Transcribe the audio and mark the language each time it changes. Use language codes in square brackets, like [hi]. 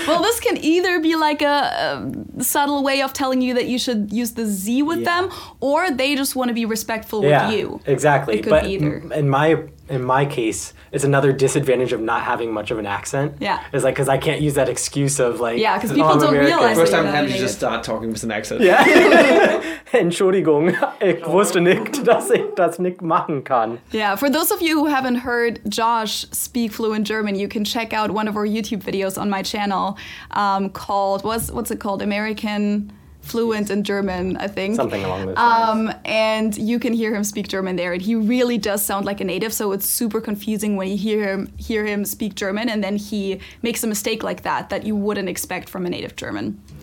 [en] Well, this can either be like a subtle way of telling you that you should use the Z with them, or they just want to be respectful with you. Exactly. It could but be either. In my case, it's another disadvantage of not having much of an accent. Yeah. It's like, because I can't use that excuse of like, because people don't American. Realize first that time having to just start talking with an accent. Yeah. [de] Entschuldigung, ich wusste nicht, dass ich das nicht machen kann. [en] Yeah, for those of you who haven't heard Josh speak fluent German, you can check out one of our YouTube videos on my channel called, what's it called? American Fluent in German, I think. Something along those lines. And you can hear him speak German there, and he really does sound like a native, so it's super confusing when you hear him speak German, and then he makes a mistake like that you wouldn't expect from a native German.